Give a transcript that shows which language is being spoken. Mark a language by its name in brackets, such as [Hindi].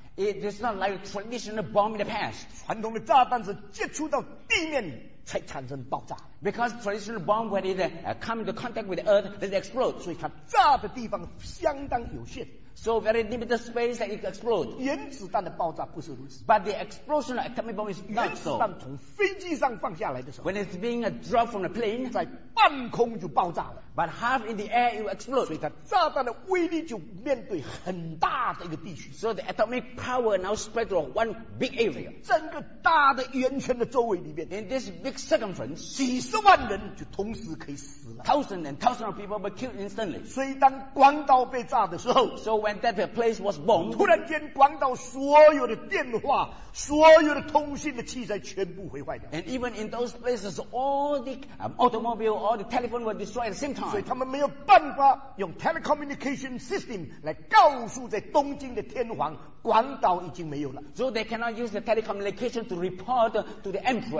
[English] It is not like a traditional bomb in the past [Chinese] 传统的炸弹是接触到地面才产生爆炸 [English] Because traditional bomb when it come into contact with the earth it explodes [Chinese] 所以它炸的地方相当有限 [English] So very limited space that it explodes. [Chinese] 原子弹的爆炸不是如此. [English] But the explosion of atomic bomb is not so. [Chinese] 原子弹从飞机上放下来的时候, [English] when it's being dropped from the plane, [Chinese] 在半空就爆炸了. [English] But half in the air it will explode. [Chinese] 所以它炸弹的威力就面对很大的一个地区. [English] So the atomic power now spread to one big area. [Chinese] 整个大的圆圈的周围里面, [English] in this big circumference, [Chinese] 几十万人就同时可以死了. [English] Thousands and thousands of people were killed instantly. [Chinese] 所以当广岛被炸的时候, [English] so when that place was bombed, [Chinese] 突然间广岛所有的电话所有的通信的器材全部毁坏掉. [English] And even in those places, all the automobile, all the telephone were destroyed at the same time. [Chinese] 所以他们没有办法用 telecommunication system 来告诉在东京的天皇广岛已经没有了. [English] So they cannot use the telecommunication to report to the emperor.